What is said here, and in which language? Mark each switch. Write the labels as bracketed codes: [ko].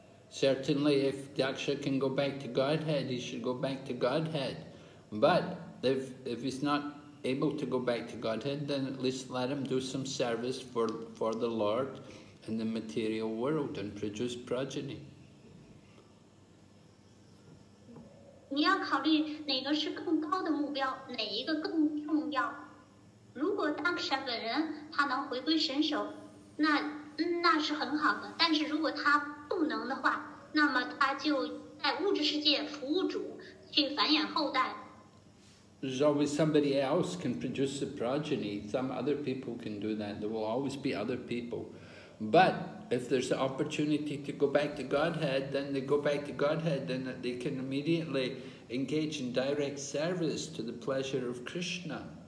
[en] Certainly, if Daksha can go back to Godhead, he should go back to Godhead. But if he's not able to go back to Godhead, then at least let him do some service for the Lord in the material world and produce progeny. [zh] 你要考虑哪个是更高的目标，哪一个更重要。如果Daksha本人他能回归神手，那是很好的。但是如果他不能的话，那么他就在物质世界服务主，去繁衍后代。 [en] There's always somebody else can produce the progeny. Some other people can do that. There will always be other people. But if there's the opportunity to go back to Godhead, then they go back to Godhead, then they can immediately engage in direct service to the pleasure of Krishna.